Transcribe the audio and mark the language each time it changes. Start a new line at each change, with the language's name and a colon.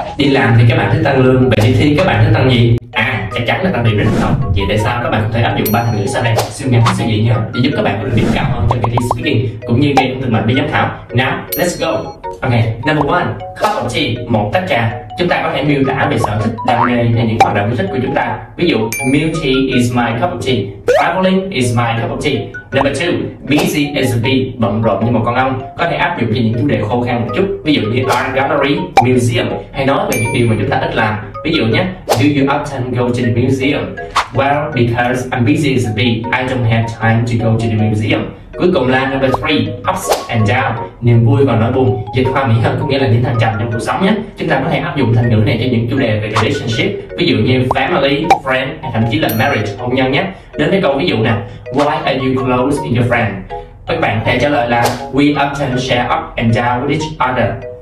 Vietnamese: Đi làm thì các bạn thích tăng lương, và chỉ thi các bạn thích tăng gì? À, chắc chắn là tăng điểm rất là tốt. Vậy tại sao các bạn có thể áp dụng 3 thành ngữ sau đây? Siêu ngắn, siêu dễ nhớ, để giúp các bạn có được điểm cao hơn trong kỳ thi speaking cũng như gây ấn tượng mạnh với giám khảo.
English: Now, let's go.
Vietnamese: Ok, number one,
English: cup of tea,
Vietnamese: một tách trà. Chúng ta có thể miêu tả về sở thích, đam mê hay những hoạt động yêu thích của chúng ta. Ví dụ,
English: milk tea is my cup of tea. Traveling is my cup of tea.
Vietnamese: Number two,
English: busy as a bee,
Vietnamese: bận rộn như một con ong. Có thể áp dụng cho những chủ đề khô khan một chút. Ví dụ như art gallery, museum, hay nói về những điều mà chúng ta ít làm. Ví dụ nhé,
English: do you often go to the museum? Well, because I'm busy as a bee, I don't have time to go to the museum.
Vietnamese: Cuối cùng là number 3,
English: ups and down,
Vietnamese: niềm vui và nỗi buồn. Dịch hoa mỹ hơn có nghĩa là những thăng trầm trong cuộc sống nhé. Chúng ta có thể áp dụng thành ngữ này cho những chủ đề về relationship, ví dụ như family, friend, hay thậm chí là marriage, hôn nhân nhé. Đến với câu ví dụ nè, why are you close with your friend? Các bạn có thể trả lời là
English: we often share up and down with each other.